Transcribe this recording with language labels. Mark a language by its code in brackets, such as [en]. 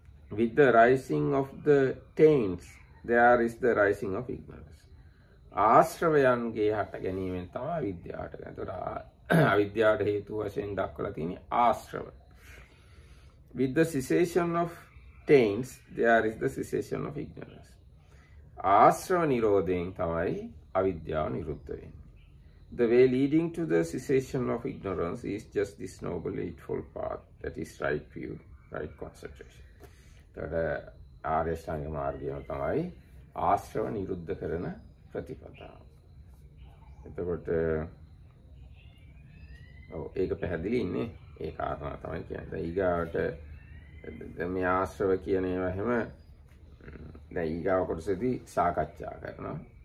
[en] With the rising of the taints, there is the rising of ignorance. [si] ආශ්‍රවයන්ගේ හට ගැනීමෙන් තමයි අවිද්‍යාව හට ගන්නේ. ඒතර අවිද්‍යාවට හේතු වශයෙන් දක්වලා තියෙන්නේ ආශ්‍රව. [en] With the cessation of taints, there is the cessation of ignorance. [si] ආශ්‍රව නිරෝධයෙන් තමයි අවිද්‍යාව නිරුද්ධ වෙන්නේ. [en] The way leading to the cessation of ignorance is just this noble eightfold path, that is right view, right concentration. [si] ඒතර ආර්ය අෂ්ටාංග මාර්ගයම තමයි ආශ්‍රව නිරුද්ධ කරන ප්‍රතිපදාව. එතකොට ඒක පැහැදිලි ඉන්නේ, ඒ කාරණා තමයි කියන්නේ. දැන් ඊගාවට මේ ආශ්‍රව කියන ඒවා හැම දැන් ඊගාව කොටසදී සාකච්ඡා කරනවා.